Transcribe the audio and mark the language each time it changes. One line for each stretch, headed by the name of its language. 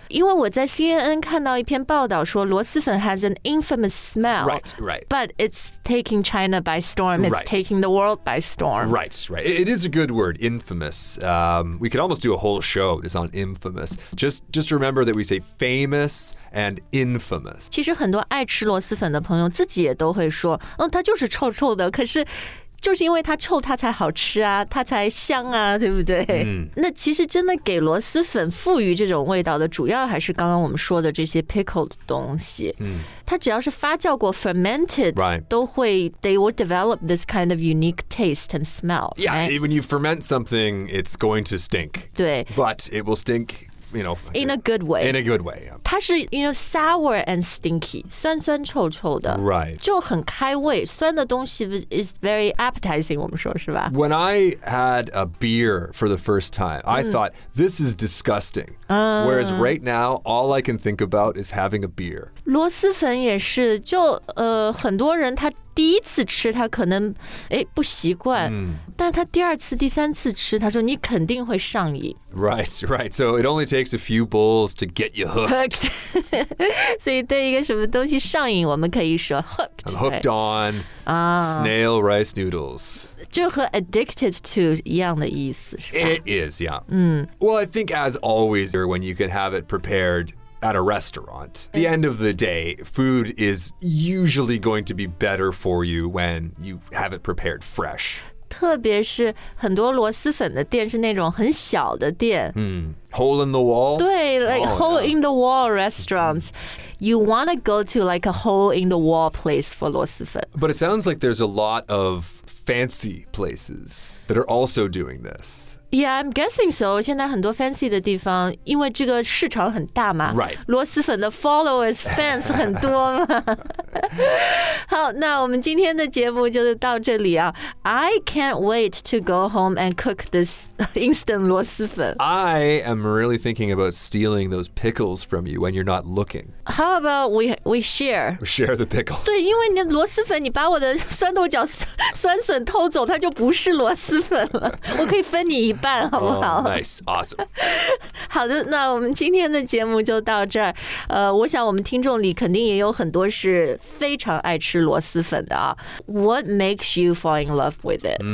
Chinese: 因为我在 CNN 看到一篇报道说螺蛳粉
English: has an infamous smell. Right, right. But it's taking China by storm. It's right. taking the world by storm. Right, right. It is a good word, infamous. We could almost do a whole show just on infamous. Just remember that we say famous and infamous.
Chinese: 其实很多爱吃螺蛳粉的朋友自己也都会说，嗯，它就是臭臭的，可是就是因为它臭它才好吃啊，它才香啊，对不对？嗯，那其实真的给螺蛳粉赋予这种味道的主要还是刚刚我们说的这些 pickled 东西。嗯，它只要是发酵过 fermented、
English: right.
Chinese: 都会
English: they will develop this kind of unique taste and smell. Yeah,、 right? when you ferment something, it's going to stink.
Chinese: 对。
English: But it will stink, you know, in a good way. In a good way.、Yeah.
Chinese: 它是
English: you know, sour and stinky,
Chinese: 酸酸臭臭的。
English: Right.
Chinese: 就很开胃，酸的东西
English: is very appetizing,
Chinese: 我们说是吧。
English: When I had a beer for the first time,、I thought, this is disgusting.、Whereas right now, all I can think about is having a beer.
Chinese: 螺蛳粉也是就、很多人他第一次吃他可能不习惯、 mm. 但他第二次第三次吃他说你肯定会上瘾
English: Right, right. So it only takes a few bowls to get you hooked.
Chinese: 所以对一个什么东西上瘾我们可以说 hooked.
English: I'm hooked on、snail rice noodles.
Chinese: 就和
English: addicted to
Chinese: 一样的意思是吧
English: It is, yeah.、嗯、 well, I think as always, when you can have it prepared,at a restaurant. The end of the day, food is usually going to be better for you when you have it prepared fresh.
Chinese: 特别是很多螺蛳粉的店是那种很小的店。
English: Mm. Hole in the wall?
Chinese: 对
English: like、oh, hole、yeah. in the wall restaurants. You want to go to like a hole in the wall place for 螺蛳粉。 But it sounds like there's a lot of fancy places that are also doing this. Yeah, I'm guessing so.
Chinese: 现在很多 fancy 的地方，因为这个市场很大嘛。
English: Right.
Chinese: 螺蛳粉的
English: followers, fans
Chinese: 很多嘛。好，那我们今天的节目就到这里啊。
English: I can't wait to go home and cook this instant 螺蛳粉。 I am really thinking about stealing those pickles from you when you're not looking. How about we share? Share the pickles.
Chinese: 对，因为你螺蛳粉，你把我的酸豆角酸笋偷走，它就不是螺蛳粉了。我可以分你一。一半好不好、
English: oh, nice, awesome.
Chinese: 好的，那我们今天的节目就到这儿。我想我们听众里肯定也有很多是非常爱吃螺蛳粉的啊。
English: What makes you fall in love with it?、